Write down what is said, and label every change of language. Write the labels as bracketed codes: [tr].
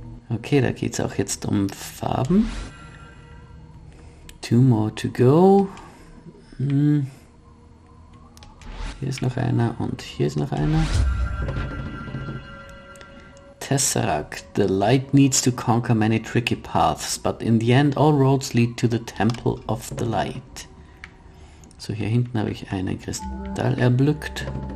[de] Okay, da geht's auch jetzt um Farben. [en] Two more to go. [de] Hier ist noch einer und hier ist noch einer. [en] Tesseract, the light needs to conquer many tricky paths, but in the end all roads lead to the temple of the light. [de] So, hier hinten habe ich einen Kristall erblückt.